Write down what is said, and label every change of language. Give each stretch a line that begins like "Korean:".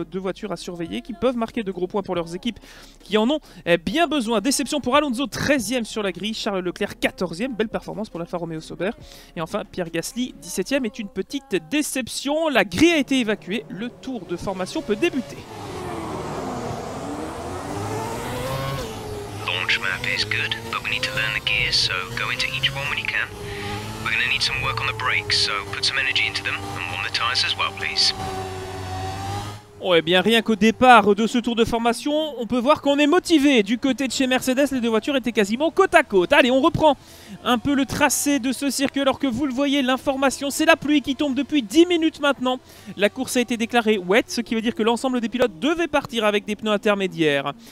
French: Deux voitures à surveiller qui peuvent marquer de gros points pour leurs équipes qui en ont bien besoin. Déception pour Alonso, 13e sur la grille, Charles Leclerc 14e, belle performance pour l'Alfa Romeo Sauber. Et enfin, Pierre Gasly 17e est une petite déception. La grille a été évacuée, le tour de formation peut débuter.
English: Launch map is good, but we need to learn the gears, so go into each one when you can. We're going to need some work on the brakes, so put some energy into them and warm the tires as well, please.
French: Oh, et bien rien qu'au départ de ce tour de formation, on peut voir qu'on est motivé. Du côté de chez Mercedes, les deux voitures étaient quasiment côte à côte. Allez, on reprend un peu le tracé de ce circuit. Alors que vous le voyez, l'information, c'est la pluie qui tombe depuis 10 minutes maintenant. La course a été déclarée wet, ce qui veut dire que l'ensemble des pilotes devaient partir avec des pneus intermédiaires.